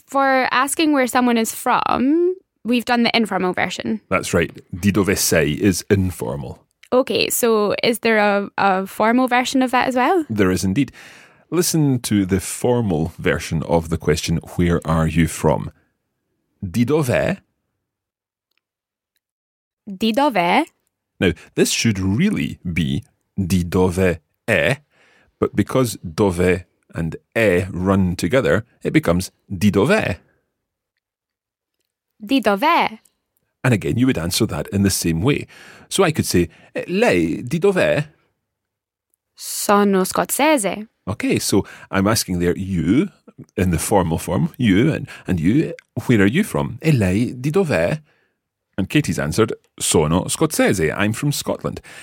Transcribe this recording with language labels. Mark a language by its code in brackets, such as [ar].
[en] For asking where someone is from, we've done the informal version. That's right. [it] Di dove sei [en] is informal. Okay, so is there a formal version of that as well? There is indeed. Listen to the formal version of the question, where are you from? [it] Di dove? Di dove? [en] Now, this should really be [it] di dove è, [en] but because dove and è run together, it becomes di dove. [it] Di dove? [en] And again, you would answer that in the same way. So I could say, [it] lei di dove? Sono scozzese. [en] Okay, so I'm asking there, you, in the formal form, you and you, where are you from? [it] E lei di dove? [en] And Katie's answered, [it] sono scozzese, [en] I'm from Scotland.